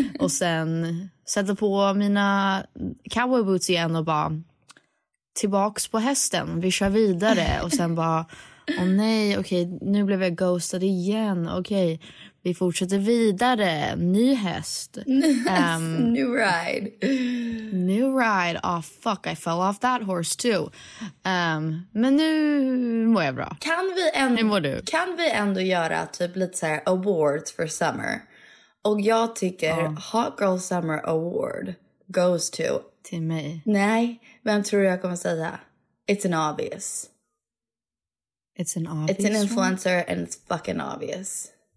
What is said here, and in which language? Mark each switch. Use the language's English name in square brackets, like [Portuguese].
[Swedish] Och sen sätta på mina cowboy boots igen och bara... Tillbaks på hästen. Vi kör vidare. Och sen bara... Åh nej, okej, nu blev jag ghostad igen. Okej, vi fortsätter vidare. Ny häst. [English] New ride. New ride. Oh fuck, I fell off that horse too. [Swedish] Men nu mår jag bra. Kan vi ändå göra typ lite så här awards för summer? Och jag tycker [English] Hot Girl Summer Award goes to... [Swedish] Till mig. Nej, vem tror jag kommer säga? [English] It's an obvious... It's an obvious. It's an influencer one? And it's fucking obvious.